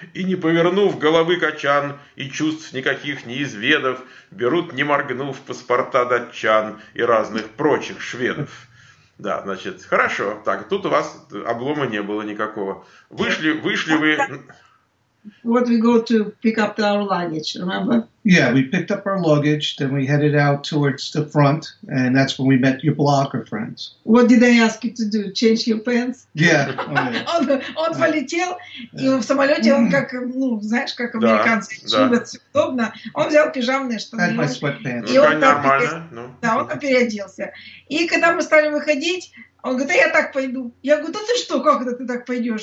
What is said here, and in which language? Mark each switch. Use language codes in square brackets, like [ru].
[ru] И не повернув головы качан, и чувств никаких не изведав, берут, не моргнув, паспорта датчан и разных прочих шведов. Да, хорошо. Так, тут у вас облома не было никакого. Вышли вы... [en] What we go to pick up our luggage, remember? Yeah, we picked up our luggage, then we headed out towards the front, and that's when we met your blogger friends. What did they ask you to do? Change your pants? Yeah. [ru] Он полетел, и в самолете он как американцы, любят все удобно. Он взял пижамные штаны. [en] Had my sweatpants. [ru] Ну, конечно, нормально. Да, он там переоделся. И когда мы стали выходить, он говорит, я так пойду. Я говорю, ты что, как это ты так пойдешь?